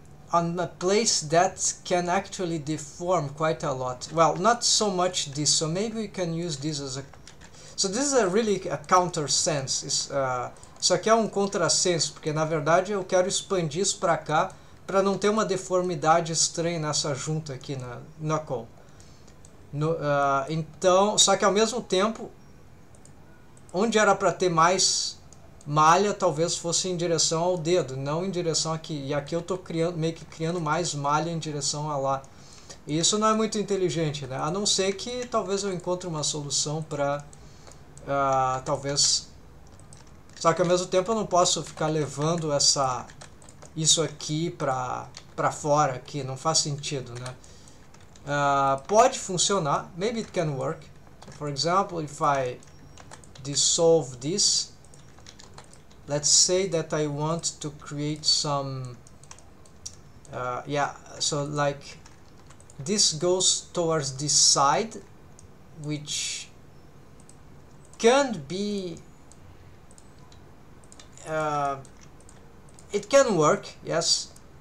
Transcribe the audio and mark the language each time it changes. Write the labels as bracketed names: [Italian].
[English] On a place that can actually deform quite a lot. Well, not so much this, so maybe we can use this as a... So this is a really a countersense. [Portuguese] Isso aqui é contrassenso, porque na verdade eu quero expandir isso para cá, para não ter uma deformidade estranha nessa junta aqui na knuckle. Então, só que ao mesmo tempo, onde era para ter mais malha, talvez fosse em direção ao dedo, não em direção aqui. E aqui eu estou criando, meio que criando mais malha em direção a lá. E isso não é muito inteligente, né? A não ser que talvez eu encontre uma solução para... talvez... Só que ao mesmo tempo eu não posso ficar levando essa... isso aqui para fora aqui, não faz sentido, né? Pode funcionar, [English] maybe it can work. For example, if I dissolve this, let's say that I want to create some, yeah, so like this goes towards this side, which can be it can work, yes.